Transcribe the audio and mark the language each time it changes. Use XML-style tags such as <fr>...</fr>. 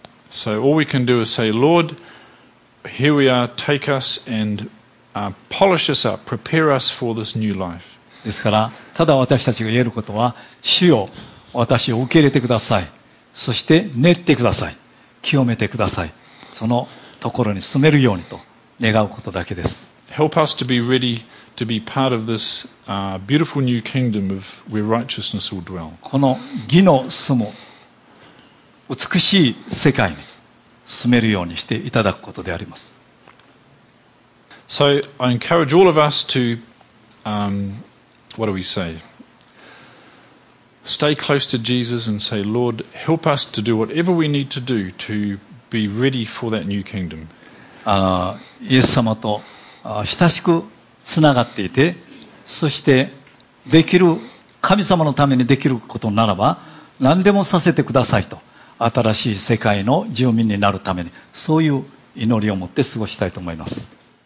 <en>So all we can do is say, Lord, here we are, take us and polish us up, prepare us for this new life.</en> <ja>ですからただ私たちが言えることは、主よ、私を受け入れてください、そして練ってください、清めてください、そのところに住めるようにと願うことだけです。</ja> <en>Help us to be ready to be part of this beautiful new kingdom of where righteousness will dwell.</en> <ja>この義の住む美しい世界に住めるようにしていただくことであります。</ja> <en>So I encourage all of us to what do we say? Stay close to Jesus and say, Lord, help us to do whatever we need to do to be ready for that new kingdom.</en> <ja>イエス様と親しくつながっていて、そしてできる神様のためにできることならば、何でもさせてくださいと、新しい世界の住民になるために、そういう祈りを持って過ごしたいと思います。</ja>